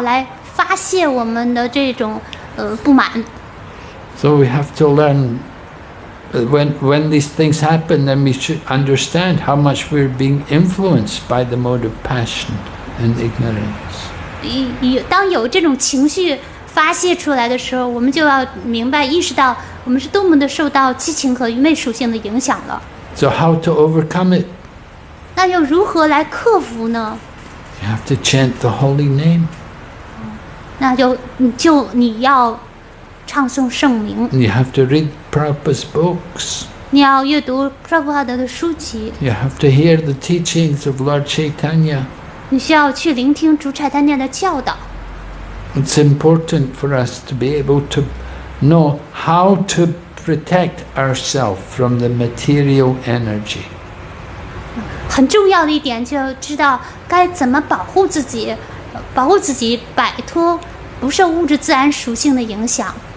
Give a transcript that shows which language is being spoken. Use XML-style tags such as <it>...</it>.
<zh>因为我们的欲望不满足，我们就开始通过吼叫、尖叫来发泄我们的这种不满。</zh> <en>So we have to learn. When these things happen, then we should understand how much we're being influenced by the mode of passion and ignorance.</en> <zh>当有这种情绪发泄出来的时候，我们就要明白意识到我们是多么的受到激情和愚昧属性的影响了。</zh> <en>So how to overcome it?</en> <zh>那又如何来克服呢?</zh> <en>You have to chant the holy name.</en> <zh>那就你要唱诵圣名。</zh> <en>You have to read Prabhupada's books.</en> <zh>你要阅读 Prabhupada 的书籍。</zh> <en>You have to hear the teachings of Lord Chaitanya.</en> <zh>你需要去聆听主柴丹念的教导。</zh> <en>It's important for us to be able to know how to protect ourselves from the material energy.</en> <zh>很重要的一点就知道该怎么保护自己，保护自己摆脱不受物质自然属性的影响。</zh>